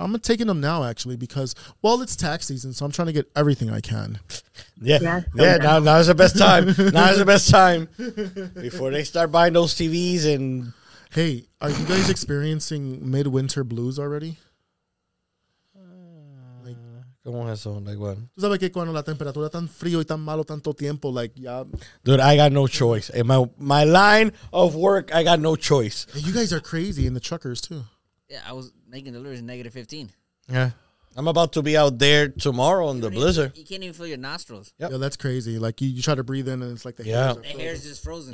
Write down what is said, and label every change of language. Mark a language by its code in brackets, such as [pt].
[en] I'm taking them now, actually, because, well, it's tax season, so I'm trying to get everything I can. Yeah. Now is the best time. Now is the best time before they start buying those TVs. And hey, are you guys experiencing midwinter blues already? [es] ¿Cómo es eso? Like what? ¿Tú sabes que cuando la temperatura tan frío y tan malo tanto tiempo, like, ya? [en] Dude, I got no choice. In my line of work, I got no choice. Hey, you guys are crazy, and the truckers, too. Yeah, I was making deliveries in negative 15. Yeah. I'm about to be out there tomorrow in the blizzard. You can't even feel your nostrils. Yep. Yeah, that's crazy. Like, you try to breathe in, and it's like the hair is the hair's just frozen.